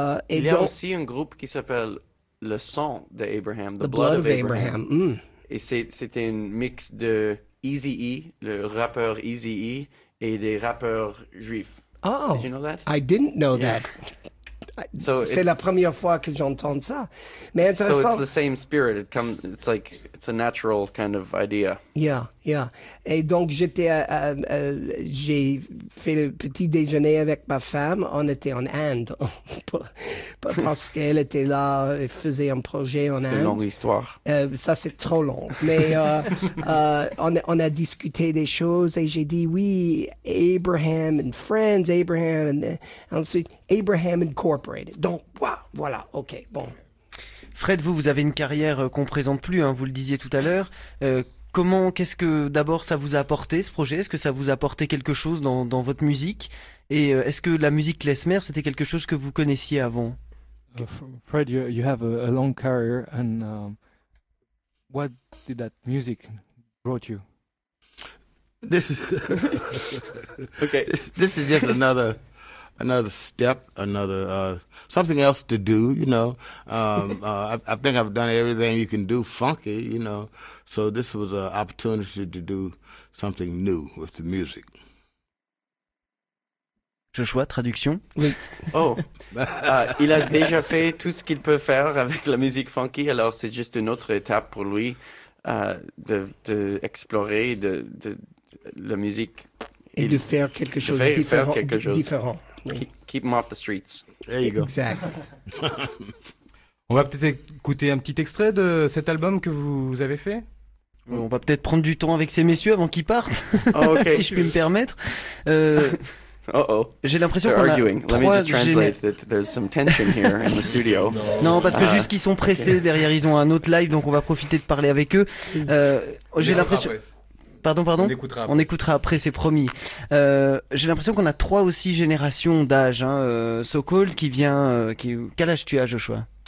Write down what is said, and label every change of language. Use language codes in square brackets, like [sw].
[fr] Il y a aussi un groupe qui s'appelle le sang d'Abraham, [en] the blood of Abraham. Mm. [fr] Et c'était un mix de Eazy-E, le rappeur Eazy-E, et des rappeurs juifs. Oh, [en] did you know that? I didn't know that. [fr] So c'est la première fois que j'entends ça. Mais [en] so it's the same spirit. It's like it's a natural kind of idea. Yeah, yeah. [fr] Et donc j'ai fait le petit déjeuner avec ma femme. On était en Inde parce qu'elle était là et faisait un projet en Inde. C'est une longue histoire. Ça c'est trop long. Mais on a discuté des choses et j'ai dit oui, Abraham and friends, Abraham and ensuite Abraham Incorporated. Donc voilà, ok, bon. Fred, vous avez une carrière qu'on présente plus, hein, vous le disiez tout à l'heure. comment, qu'est-ce que d'abord ça vous a apporté ce projet? Est-ce que ça vous a apporté quelque chose dans votre musique? Et est-ce que la musique klezmer, c'était quelque chose que vous connaissiez avant? [en] Fred, you have a long career, and what did that music brought you? This is just another step, another something else to do, you know. I think I've done everything you can do funky, you know. So this was an opportunity to do something new with the music. [fr] Joshua, traduction. Oui. Oh, il a déjà fait tout ce qu'il peut faire avec la musique funky, alors c'est juste une autre étape pour lui d'explorer de la musique. Et il, de faire quelque chose de différent. Quelque chose. Différent. [en] Keep them off the streets. There you go. Exactly. [fr] On va peut-être écouter un petit extrait de cet album que vous avez fait. On va peut-être prendre du temps avec ces messieurs avant qu'ils partent, oh, okay. Si je puis me permettre. J'ai l'impression qu'on a [en] arguing. [fr] Trois. [en] Let me just translate that there's some tension here in the studio. [fr] Non, parce que juste qu'ils sont pressés, okay. Derrière, ils ont un autre live, donc on va profiter de parler avec eux. J'ai l'impression. Après. Pardon. On écoutera après, c'est promis. J'ai l'impression qu'on a trois aussi générations d'âge. Hein. So-called qui vient. Quel âge tu as, Joshua?